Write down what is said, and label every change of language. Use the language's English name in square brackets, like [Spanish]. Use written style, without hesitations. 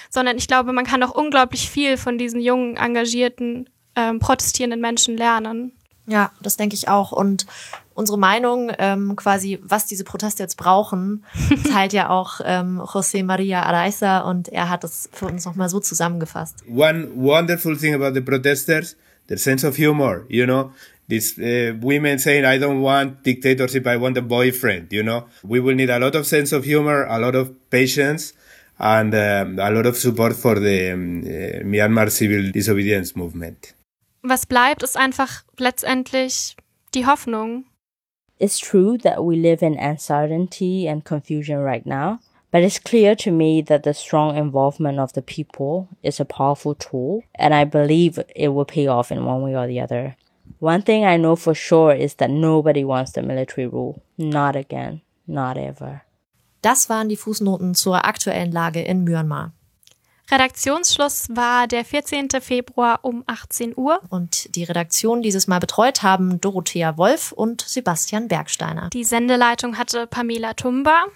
[German] Sondern ich glaube, man kann auch unglaublich viel von diesen jungen, engagierten, protestierenden Menschen lernen. Ja, das denke ich auch. Und unsere Meinung, quasi, was diese Proteste jetzt brauchen, teilt ja auch José María Araiza. Und er hat das für uns nochmal so zusammengefasst. [English] One wonderful thing about the protesters. Their sense of humor, you know, these women saying, I don't want dictatorship, I want a boyfriend, you know. We will need a lot of sense of humor, a lot of patience, and a lot of support for the Myanmar Civil Disobedience Movement. [German] Was bleibt, ist einfach letztendlich die Hoffnung. [English] It's true that we live in uncertainty and confusion right now, but it's clear to me that the strong involvement of the people is a powerful tool, and I believe it will pay off in one way or the other. One thing I know for sure is that nobody wants the military rule. Not again. Not ever. [German] Das waren die Fußnoten zur aktuellen Lage in Myanmar. Redaktionsschluss war der 14. Februar um 18 Uhr. Und die Redaktion dieses Mal betreut haben Dorothea Wolf und Sebastian Bergsteiner. Die Sendeleitung hatte Pamela Tumba.